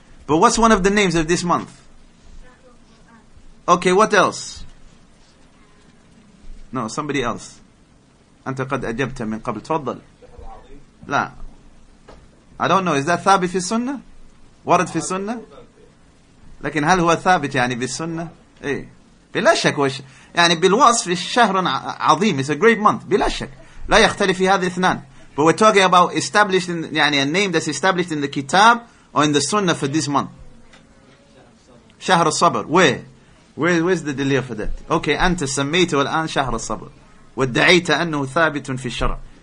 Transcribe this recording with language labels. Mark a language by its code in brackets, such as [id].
[en] But what's one of the names of this month? Okay, what else? No, somebody else. [ar] أنت قد أجبت من قبل. تفضل. لا. [en] I don't know. Is that [ar] ثابت في السنة? ورد في السنة? لكن هل هو ثابت يعني بالسنة؟ إيه بلا شك وش يعني بالوصف الشهر عظيم. [en] It's a great month. [ar] بلا شك لا يختلف في هذه اثنان. [en] But we're talking about established in, يعني a name that's established in the kitab or in the sunnah for this month. [ar] شهر الصبر. [en] Where's the delay for that? [ar] Okay, أنت سميته الآن شهر الصبر ودعيت أنه ثابت في الشرع.